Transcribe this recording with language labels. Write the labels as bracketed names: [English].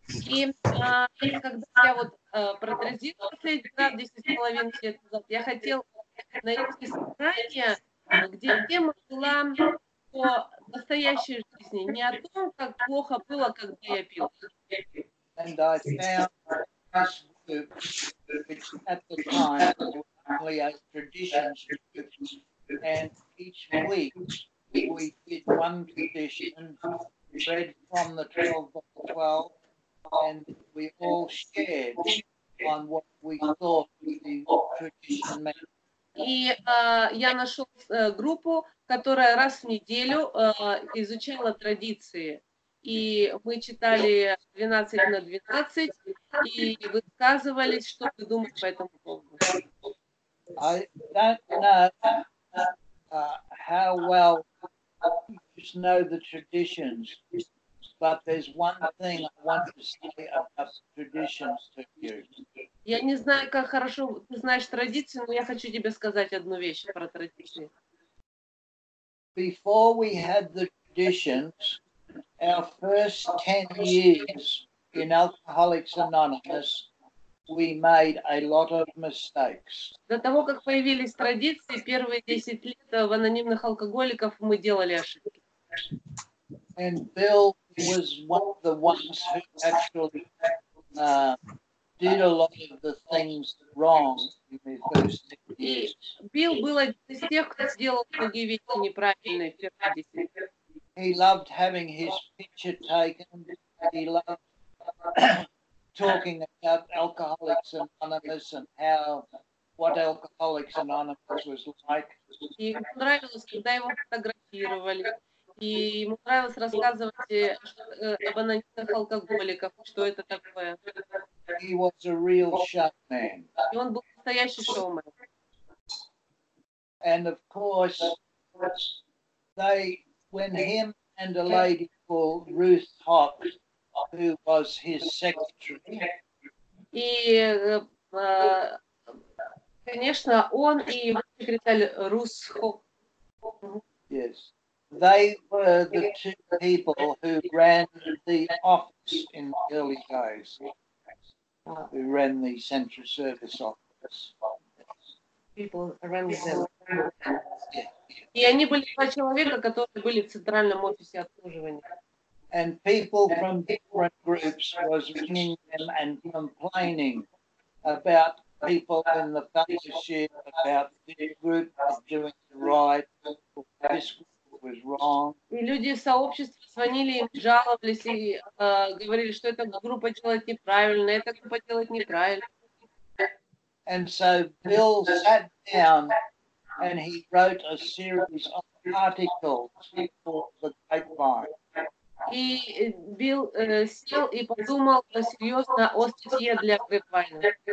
[Russian] И когда я вот протрезвился за 10,5 лет назад, я хотел найти собрание, где тема была о настоящей жизни, не о том, как плохо было, когда я пил. [English] And I found this group, which at the time only has traditions, and each week we did one tradition, read from the 12 books. And we all shared on what we thought the tradition meant. [Russian] И я нашел группу, которая раз в неделю изучала традиции, и мы читали 12 на 12 и высказывались, что мы думаем по этому поводу. [English] I don't know how well you know the traditions. But there's one thing I want to say about traditions to you. [Russian] Я не знаю, как хорошо ты знаешь традиции, но я хочу тебе сказать одну вещь про традиции. [English] Before we had the traditions, our first 10 years in Alcoholics Anonymous, we made a lot of mistakes. [Russian] До того, как появились традиции, первые 10 лет в анонимных алкоголиков мы делали ошибки. [English] And Bill was one of the ones who actually did a lot of the things wrong in the first 10 years. [Russian] Bill был один из тех, кто сделал многие вещи неправильные в первые 10 лет. [English] He loved having his picture taken. He loved talking about Alcoholics Anonymous and how what Alcoholics Anonymous was like. [Russian] И ему нравилось, когда его фотографировали. И ему нравилось рассказывать об анонимных алкоголиках, что это такое. [English] He was a real showman. [Russian] И он был настоящий шоумен. [English] And of course, they, when him and a lady called Ruth Hopps, who was his secretary. [Russian] И, конечно, он и секретарь Рус Хопп. [English] Yes. They were the two people who ran the office in the early days, who ran the central service office. People ran the [Russian] И они были два человека, которые были в центральном офисе обслуживания. [English] And people from different groups was ringing them and complaining about people in the fellowship, about the group doing the right, this group. Was wrong. [Russian] И люди из сообщества звонили им, жаловались и говорили, что эта группа делает неправильно, эта группа делает неправильно. [English] And so Bill sat down and he wrote a series of articles for the Grapevine. [Russian] И Билл сел и подумал серьезно о статье для Grapevine.